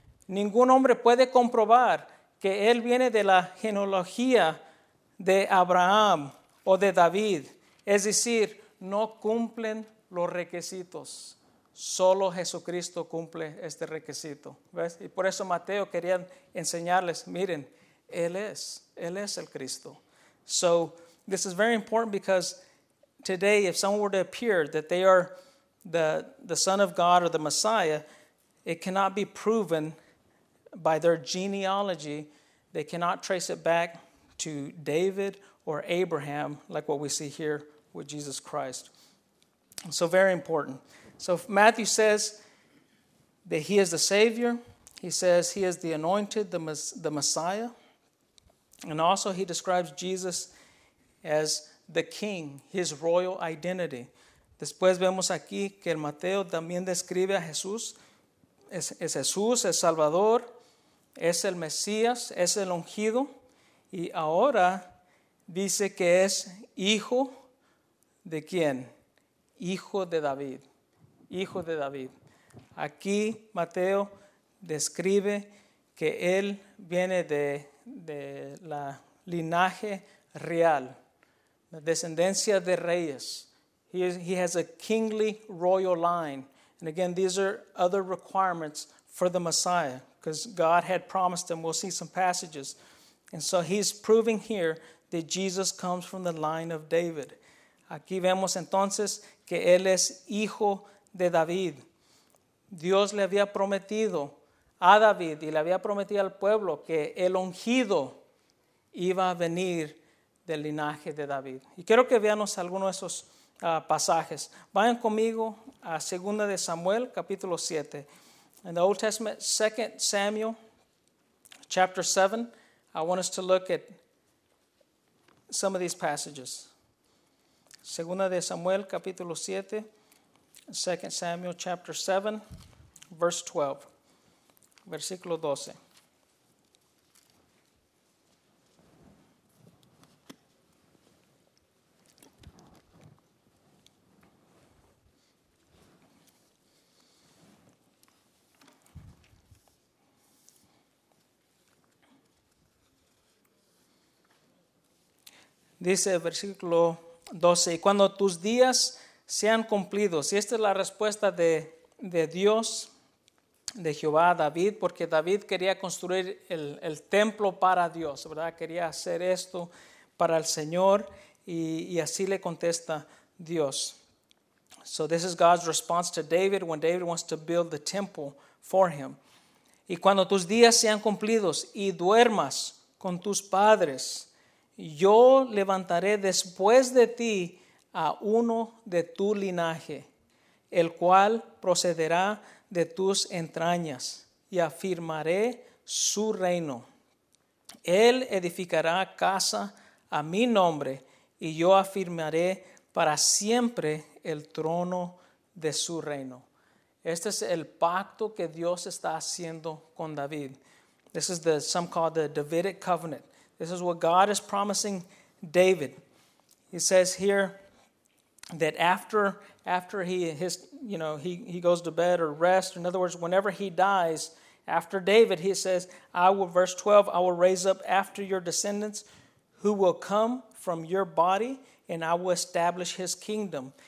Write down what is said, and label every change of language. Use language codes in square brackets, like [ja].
[es] Ningún hombre puede comprobar que él viene de la genealogía de Abraham o de David. Es decir, no cumplen los requisitos. Solo Jesucristo cumple este requisito. ¿Ves? Y por eso Mateo quería enseñarles, miren, Él es el Cristo. [en] So this is very important, because today if someone were to appear that they are the Son of God or the Messiah, it cannot be proven by their genealogy. They cannot trace it back to David or Abraham, like what we see here with Jesus Christ. So very important. So Matthew says that he is the Savior. He says he is the anointed, the Messiah. And also he describes Jesus as the king, his royal identity. [es] Después vemos aquí que el Mateo también describe a Jesús. Es Jesús, es Salvador, es el Mesías, es el ungido. Y ahora dice que es hijo de ¿quién? Hijo de David. Hijo de David. Aquí Mateo describe que él viene de la linaje real, la descendencia de reyes. [en] He has a kingly royal line. And again, these are other requirements for the Messiah, because God had promised him. We'll see some passages. And so he's proving here that Jesus comes from the line of David. [es] Aquí vemos entonces que él es hijo de David. Dios le había prometido a David y le había prometido al pueblo que el ungido iba a venir del linaje de David. Y quiero que veamos algunos de esos pasajes. Vayan conmigo a 2 de Samuel, capítulo 7. [en] In the Old Testament, 2 Samuel, chapter 7, I want us to look at some of these passages. [es] 2 de Samuel, capítulo 7, [en] 2 Samuel, chapter 7, verse 12, [es] versículo 12. Dice el versículo 12, y cuando tus días sean cumplidos, y esta es la respuesta de Dios, de Jehová a David, porque David quería construir el templo para Dios, ¿verdad? Quería hacer esto para el Señor, y así le contesta Dios. [en] So this is God's response to David when David wants to build the temple for him. [es] Y cuando tus días sean cumplidos y duermas con tus padres, yo levantaré después de ti a uno de tu linaje, el cual procederá de tus entrañas, y afirmaré su reino. Él edificará casa a mi nombre, y yo afirmaré para siempre el trono de su reino. Este es el pacto que Dios está haciendo con David. [en] This is the, some call the Davidic covenant. This is what God is promising David. He says here that after he goes to bed or rest, in other words, whenever he dies, after David, he says, I will, verse 12, I will raise up after your descendants who will come from your body, and I will establish his kingdom.